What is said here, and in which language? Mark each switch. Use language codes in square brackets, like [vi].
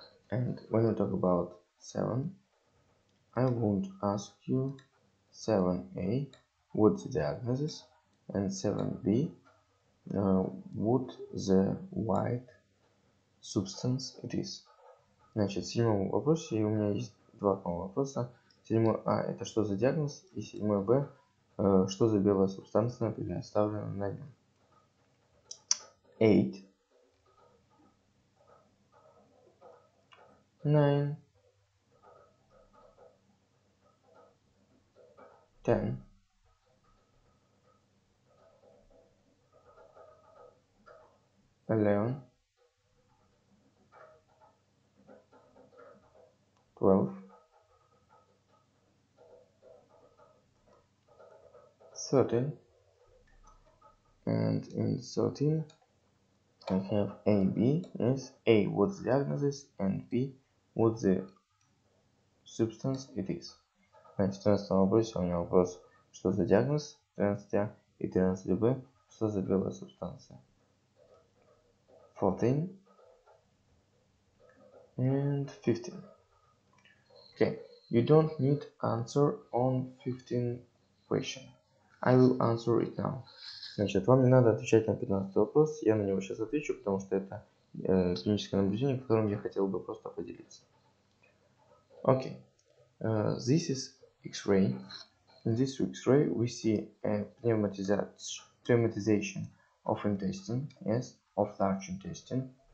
[en] And when we talk about seven, I won't ask you 7A, what's the diagnosis, and 7B, what the white substance it is. [ru] Значит, в седьмом вопросе, и у меня есть два вопроса. 7А, это что за диагноз, и 7Б, что за белая субстанция, например, оставлена на нем. [en] 8, 9, 10, 11, 12, 13, and in 13, I have A and B. Yes, A, what's the diagnosis, and B, what's the substance it is. Значит, 13 вопрос, у меня вопрос, что за диагноз, 13 и 13 Б, что за белая субстанция. 14 and 15. Okay, you don't need answer on 15 question. I will answer it now. [ru] Значит, вам не надо отвечать на 15 вопрос, я на него сейчас отвечу, потому что это клиническое наблюдение, которым я хотел бы просто поделиться. [en] Okay, this is X-ray. In this X-ray, we see a pneumatization of intestine, yes, of large intestine.